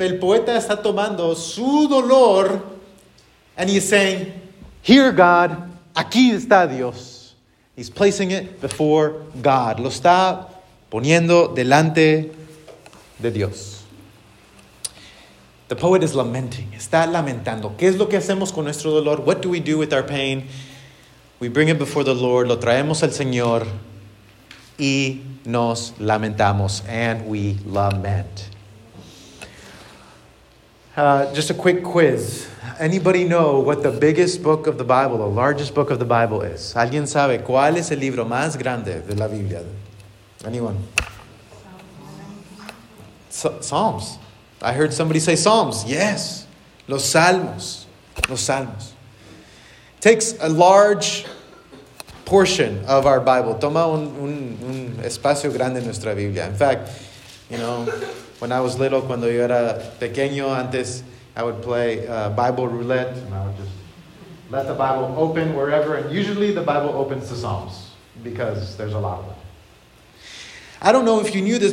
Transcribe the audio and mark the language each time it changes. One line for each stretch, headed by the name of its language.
Spanish: El poeta está tomando su dolor.
English: And he's saying, here God,
Spanish: aquí está Dios.
English: He's placing it before God.
Spanish: Lo está poniendo delante de Dios.
English: The poet is lamenting.
Spanish: Está lamentando. ¿Qué es lo que hacemos con nuestro dolor?
English: What do we do with our pain? We bring it before the Lord.
Spanish: Lo traemos al Señor. Y nos lamentamos.
English: And we lament. Just a quick quiz. Anybody know what the biggest book of the Bible, the largest book of the Bible is?
Spanish: ¿Alguien sabe cuál es el libro más grande de la Biblia?
English: Anyone? Psalms. I heard somebody say Psalms. Yes.
Spanish: Los Salmos. Los Salmos.
English: Takes a large portion of our Bible.
Spanish: Toma un espacio grande en nuestra Biblia.
English: In fact, you know, when I was little,
Spanish: cuando yo era pequeño, antes,
English: I would play Bible roulette. And I would just let the Bible open wherever. And usually the Bible opens to Psalms because there's a lot of them. I don't know if you knew this.